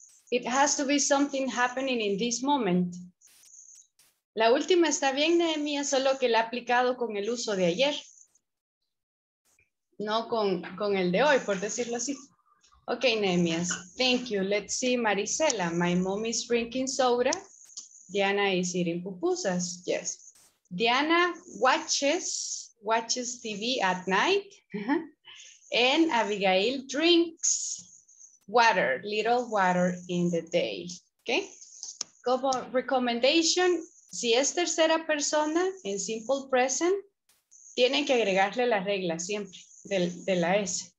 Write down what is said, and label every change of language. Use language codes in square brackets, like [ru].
[en] It has to be something happening in this moment. [es] La última está bien, Nehemia, solo que la ha aplicado con el uso de ayer. No con, con el de hoy, por decirlo así. [en] Okay, Nehemia. Thank you. Let's see, Marisela. My mom is drinking soda. Diana is eating pupusas. Yes. Diana watches TV at night. And Abigail drinks water, little water in the day. Okay. [es] Como recommendation, si es tercera persona en simple present, tienen que agregarle la regla siempre de la S.